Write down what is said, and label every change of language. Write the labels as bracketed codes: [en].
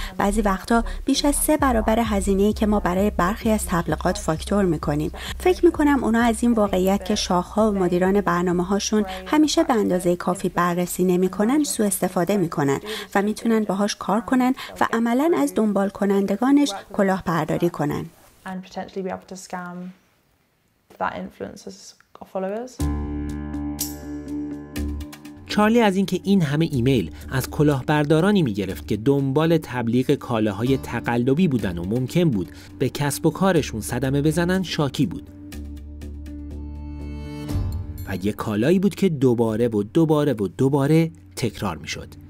[fa] بعضی وقتا بیش از 3 برابر هزینه‌ای که ما برای برخی از تبلیغات فاکتور می‌کنیم. فکر می‌کنم اونا از این واقعیت که شاخ‌ها و مدیران برنامه‌هاشون همیشه به اندازه کافی بررسی نمی‌کنن سوء استفاده می‌کنن و می‌تونن باهاش کار کنن و عملاً از دنبال کنندگانش کلاهبرداری کنن. [en] And potentially be able to scam that influencer's followers. [fa] چارلی از اینکه این همه ایمیل از کلاهبردارانی میگرفت که دنبال تبلیغ کالاهای تقلبی بودن و ممکن بود به کسب و کارشون صدمه بزنن شاکی بود. و یه کالایی بود که دوباره و دوباره و دوباره تکرار میشد.